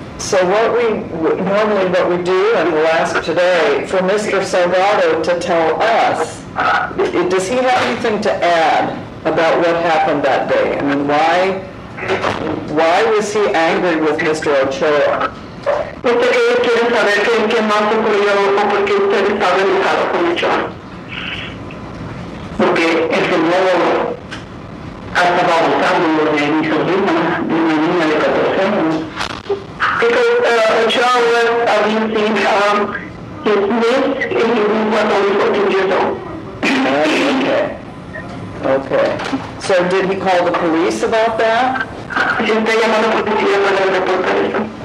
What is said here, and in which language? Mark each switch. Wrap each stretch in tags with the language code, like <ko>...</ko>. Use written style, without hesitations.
<en>So, what we do, and we'll ask today for Mr. Salgado to tell us, does he have anything to add about what happened that day? I mean, why was he angry with Mr. Ochoa?</en> <es>Porque él quiere saber qué más ocurrió o por qué usted estaba enojado con Ochoa. Porque el señor estaba abusando de mi sobrina, de una niña de 14 años.</es> <en>Okay. So did he call the police about that?</en> <es>Usted llamó a la policía para reportar eso.</es>